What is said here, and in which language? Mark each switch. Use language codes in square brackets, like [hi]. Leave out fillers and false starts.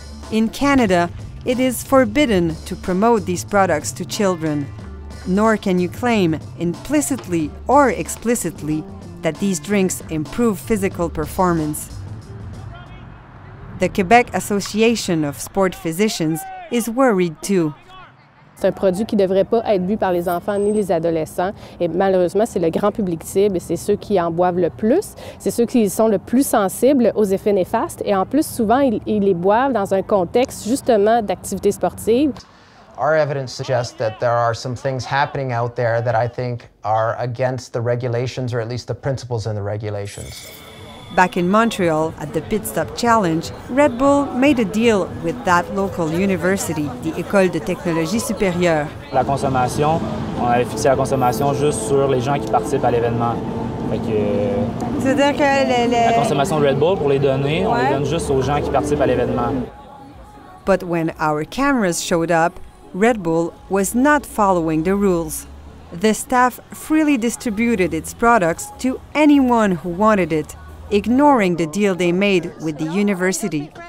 [en] In Canada, it is forbidden to promote these products to children. Nor can you claim, implicitly or explicitly, that these drinks improve physical performance. The Quebec Association of Sport Physicians is worried too. [fr] C'est un produit qui ne devrait pas être bu par les enfants ni les adolescents. Et malheureusement, c'est le grand public cible, c'est ceux qui en boivent le plus, c'est ceux qui sont le plus sensibles aux effets néfastes. Et en plus, souvent, ils les boivent dans un contexte justement d'activité sportive. [en] Our evidence suggests that there are some things happening out there that I think are against the regulations or at least the principles in the regulations. Back in Montreal, at the Pit Stop Challenge, Red Bull made a deal with that local university, the École de Technologie Supérieure. [fr] La consommation, on avait fixé la consommation juste sur les gens qui participent à l'événement. Fait que... C'est-à-dire que la consommation de Red Bull, pour les données, ouais. On les donne juste aux gens qui participent à l'événement. [en] But when our cameras showed up, Red Bull was not following the rules. The staff freely distributed its products to anyone who wanted it, ignoring the deal they made with the university.